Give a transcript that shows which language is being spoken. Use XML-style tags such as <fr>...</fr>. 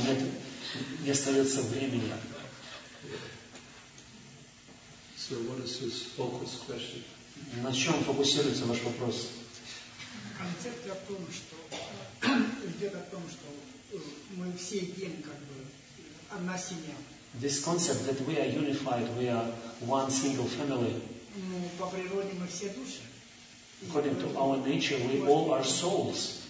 <ru>Нет, не остается времени.</ru> <en>So what is this focus question?</en> <ru>На чем фокусируется ваш вопрос? Концепция в том, что идет о том, что мы все едим, как бы одна семья.</ru> <en>This concept that we are unified, we are one single family.</en> <ru>Ну, по природе мы все души.</ru> <en>According to our nature, we all are souls.</en>